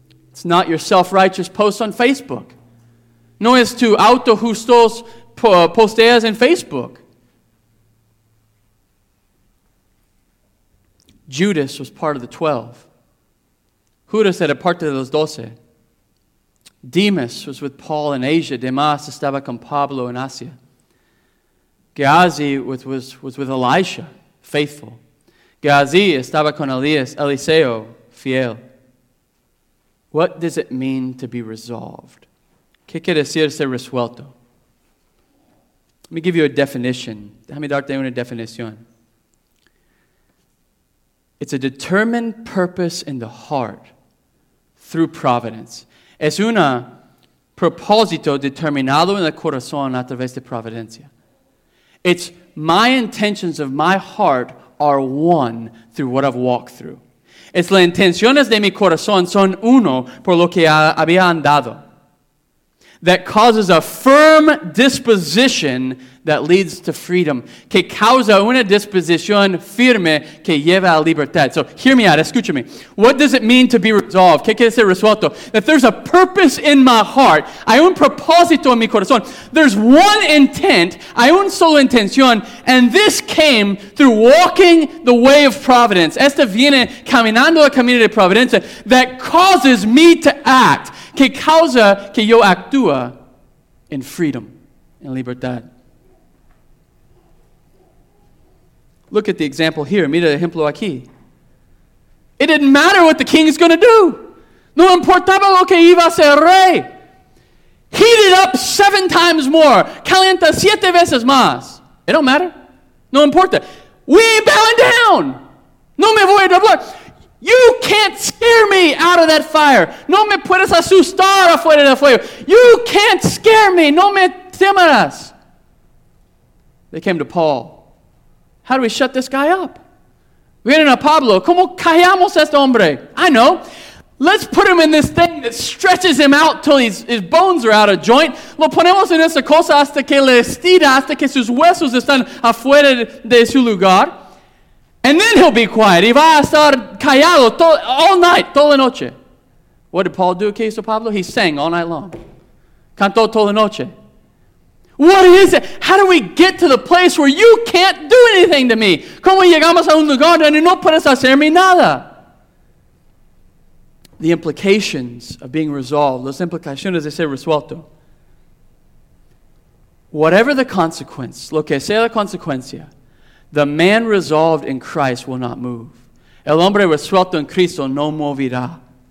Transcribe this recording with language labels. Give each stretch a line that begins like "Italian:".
English: It's not your self-righteous posts on Facebook.
Spanish: No es tu autojustos posteas en Facebook.
English: Judas was part of the 12.
Spanish: Judas era parte de los 12.
English: Demas was with Paul in Asia.
Spanish: Demas estaba con Pablo en Asia.
English: Gehazi was with Elisha, faithful.
Spanish: Gehazi estaba con Eliseo, fiel.
English: What does it mean to be resolved?
Spanish: ¿Qué quiere decir ser resuelto?
English: Let me give you a definition.
Spanish: Déjame darte una definición.
English: It's a determined purpose in the heart through providence.
Spanish: Es un propósito determinado en el corazón a través de providencia.
English: It's my intentions of my heart are one through what I've walked through.
Spanish: Es las intenciones de mi corazón son uno por lo que había andado.
English: that causes a firm disposition that leads to freedom.
Spanish: Que causa una disposición firme que lleva a libertad.
English: So hear me out,
Spanish: escúchame.
English: What does it mean to be resolved?
Spanish: ¿Qué quiere decir resuelto?
English: That there's a purpose in my heart.
Spanish: Hay un propósito en mi corazón.
English: There's one intent.
Spanish: Hay una sola intención.
English: And this came through walking the way of providence.
Spanish: Esto viene caminando el camino de providencia
English: that causes me to act.
Spanish: Que causa que yo actúe en freedom, en libertad.
English: Look at the example here.
Spanish: Mira el ejemplo aquí.
English: It didn't matter what the king is going to do.
Spanish: No importaba lo que iba a hacer el rey.
English: Heat it up 7 times more.
Spanish: Calienta 7 veces más.
English: It don't matter.
Spanish: No importa.
English: We ain't bowing down.
Spanish: No me voy a doblar.
English: You can't scare me out of that fire.
Spanish: No me puedes asustar afuera del fuego.
English: You can't scare me.
Spanish: No me temerás.
English: They came to Paul. How do we shut this guy up?
Spanish: Vienen a Pablo. ¿Cómo callamos a este hombre?
English: I know. Let's put him in this thing that stretches him out till his bones are out of joint.
Spanish: Lo ponemos en esa cosa hasta que le estira, hasta que sus huesos están afuera de su lugar.
English: And then he'll be quiet.
Spanish: Y va a estar callado
English: all night,
Spanish: toda la noche.
English: What did Paul do in case of Pablo? He sang all night long.
Spanish: Cantó toda la noche.
English: What is it? How do we get to the place where you can't do anything to me?
Spanish: ¿Cómo llegamos a un lugar donde no puedes hacerme nada?
English: The implications of being resolved.
Spanish: Las implicaciones de ser resuelto.
English: Whatever the consequence,
Spanish: lo que sea la consecuencia,
English: the man resolved in Christ will not move.
Spanish: El hombre resuelto en Cristo no movirá.